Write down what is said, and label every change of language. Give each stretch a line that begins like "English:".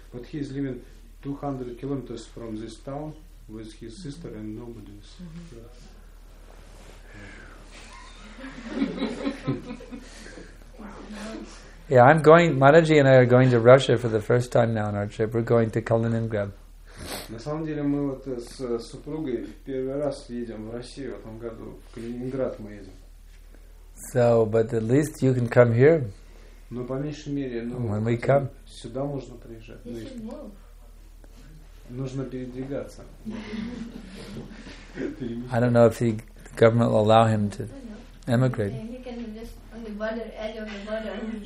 English: But he is living 200 kilometers from this town with his sister and nobody. Yeah, I'm going. Mataji and I are going to Russia for the first time now on our trip. We're going to Kaliningrad.
Russian: На самом деле мы вот с супругой в первый раз едем в Россию в этом году, в Калининград мы едем.
English: So, but at least you can come here.
Russian: Но по меньшей мере, ну,
English: when we come.
Russian: Сюда можно приезжать. Ну, нужно передвигаться.
English: I don't know if the government will allow him to emigrate. Yeah, he can just on the border, edge of the border.